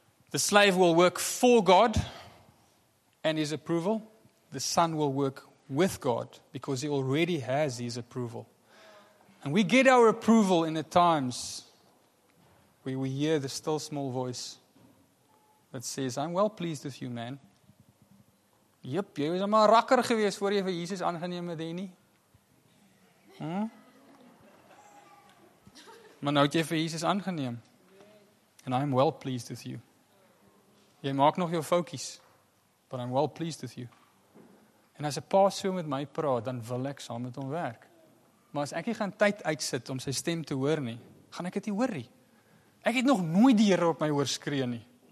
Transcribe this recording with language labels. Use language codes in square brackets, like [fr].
[en] The slave will work for God and his approval. The son will work with God because he already has his approval. And we get our approval in the times where we hear the still small voice that says, I'm well pleased with you, man. [af] Yep, jy was maar rakker gewees voor jy vir Jesus aangeneem het, nie? Maar nou het jy vir Jesus aangeneem. [en] And I'm well pleased with you. [af] Jy maak nog jou foutjies, [en] but I'm well pleased with you. [af] En as 'n pa so met my praat, dan wil ek saam met hom werk. Maar as ek nie gaan tyd uitsit om sy stem te hoor nie, gaan ek dit nie hoor nie. Ek het nog nooit die Here op my hoor skree nie.